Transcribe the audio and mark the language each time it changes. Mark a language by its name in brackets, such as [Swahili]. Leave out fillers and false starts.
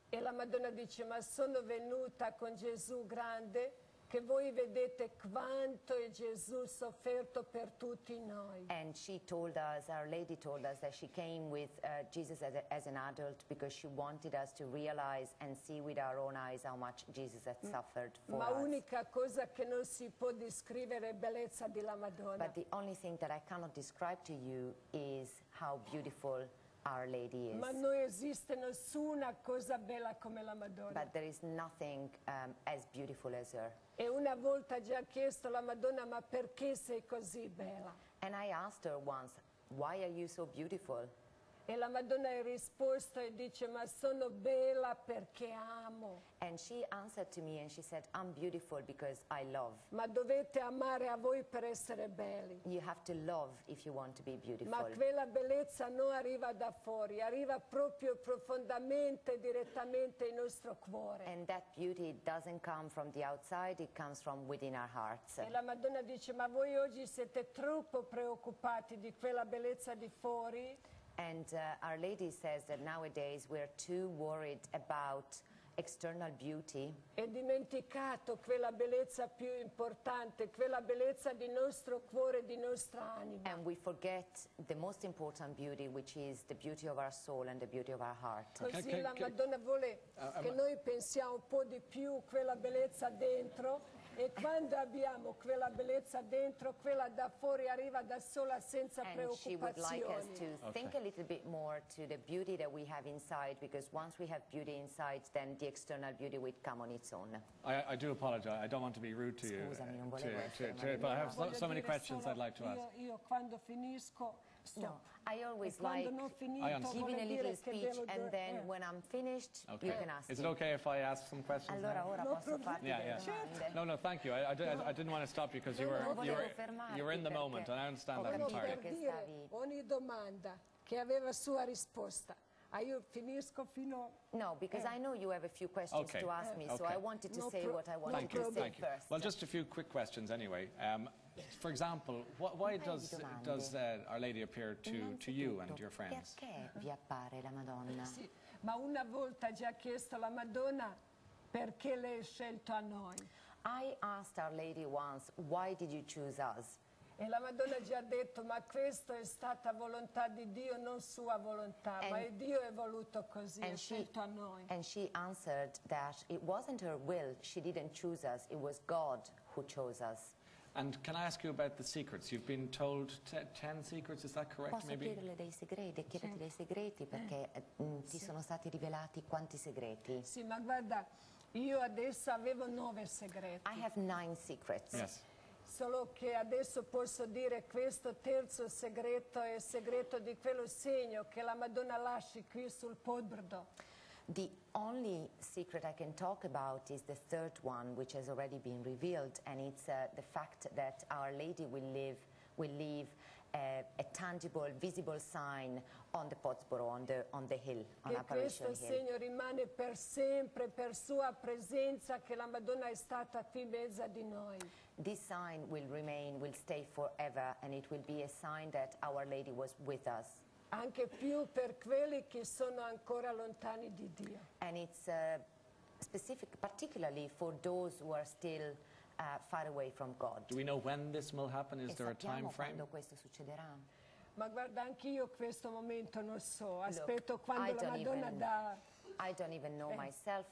[Italian] E la Madonna dice, ma sono venuta con Gesù grande, che voi vedete quanto è Gesù sofferto per tutti noi. [English] And she told us, Our Lady told us, that she came with Jesus as an adult because she wanted us to realize and see with our own eyes how much Jesus had suffered for [Italian] ma [English] us. [Italian] L'unica cosa che non si può descrivere è bellezza della Madonna. [English] But the only thing that I cannot describe to you is how beautiful Our Lady is. [Italian] Ma non esiste nessuna cosa bella come la Madonna. [English] But there is nothing as beautiful as her. [Italian] E una volta già chiesto alla Madonna, ma perché sei così bella? [English] And I asked her once, why are you so beautiful? [Italian] E la Madonna ha risposto e dice, ma sono bella perché amo. [English] And she answered to me and she said, I'm beautiful because I love. [Italian] Ma dovete amare a voi per essere belli. [English] You have to love if you want to be beautiful. [Italian] Ma quella bellezza non arriva da fuori, arriva proprio profondamente, direttamente in nostro cuore. [English] And that beauty doesn't come from the outside, it comes from within our hearts. [Italian] E la Madonna dice, ma voi oggi siete troppo preoccupati di quella bellezza di fuori. [English] And Our Lady says that nowadays we're too worried about external beauty. [Italian] E dimenticato quella bellezza più importante, quella bellezza di nostro cuore, di nostra anima. [English] And we forget the most important beauty, which is the beauty of our soul and the beauty of our heart. [Italian] Così la Madonna vuole che noi pensiamo un po' di più quella bellezza dentro. E quando abbiamo quella bellezza dentro, quella da fuori arriva da sola senza preoccupazioni. [English] And she would like us to think a little bit more to the beauty that we have inside, because once we have beauty inside, then the external beauty would come on its own. I do apologize. I don't want to be rude to you. But I have so many questions I'd like to ask. [Italian] Io quando finisco. [English] No, I always like giving a little speech and then when I'm finished, you can ask. Is it okay if I ask some questions? [Italian] Allora ora posso farti delle domande. [English] No, thank you. I didn't want to stop you because you were in the moment and I understand that entirely. [Italian] Ogni domanda che aveva sua risposta. Io finisco fino... [English] No, because I know you have a few questions to ask me, so I wanted to say what I wanted to say first. Well, just a few quick questions anyway. For example, why does Our Lady appear to you and your friends? [Italian] Perché vi appare la Madonna? Sì, ma una volta già chiesto la Madonna, perché l'hai scelto a noi? [English] I asked Our Lady once, why did you choose us? [Italian] E la Madonna già ha detto, ma questo è stata volontà di Dio, non sua volontà, [English] and [Italian] ma Dio è voluto così, è scelto a noi. [English] And she answered that it wasn't her will, she didn't choose us, it was God who chose us. And can I ask you about the secrets? You've been told 10 secrets, is that correct? [Italian] Posso chiederle dei segreti, chiederti dei segreti, perché ti sono stati rivelati quanti segreti? Sì, ma guarda, io adesso avevo 9 segreti. [English] I have 9 secrets. Yes. [Italian] Solo che adesso posso dire questo terzo segreto è segreto di quello segno che la Madonna lasci qui sul Podbrdo. [English] The only secret I can talk about is the third one, which has already been revealed, and it's the fact that Our Lady will leave a tangible, visible sign on the Podsboro, on the hill, on Apparition Hill. [Italian] Che questo segno rimane per sempre per sua presenza, che la Madonna è stata qui in mezzo di noi. [English] This sign will stay forever, and it will be a sign that Our Lady was with us. [Italian] Anche più per quelli che sono ancora lontani di Dio. [English] And it's specific, particularly for those who are still far away from God. Do we know when this will happen? Is there a time frame? [Italian] E sappiamo quando questo succederà. Ma guarda, anch'io questo momento non so. Aspetto quando la Madonna dà. [English] I don't even know myself.